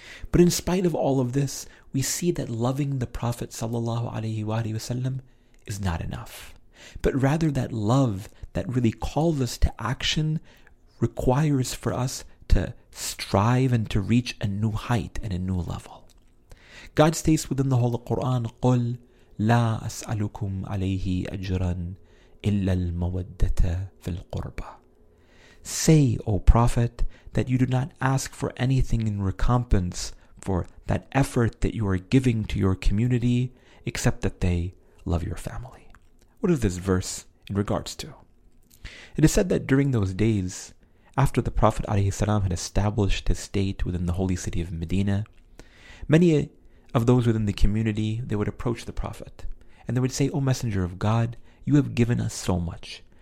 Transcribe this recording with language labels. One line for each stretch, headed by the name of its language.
English: But in spite of all of this, we see that loving the Prophet sallallahu alaihi wa sallam is not enough. but rather that love that really calls us to action requires for us to strive and to reach a new height and a new level. God states within the Holy Quran,
Arabic: قُلْ لَا أَسْأَلُكُمْ عَلَيْهِ أَجْرًا إِلَّا الْمَوَدَّةَ فِي الْقُرْبَى.
English: Say, O Prophet, that you do not ask for anything in recompense for that effort that you are giving to your community, except that they love your family. What is this verse in regards to? It is said that during those days, after the Prophet ﷺ had established his state within the holy city of Medina, many of those within the community, they would approach the Prophet, and they would say, O Messenger of God, you have given us so much.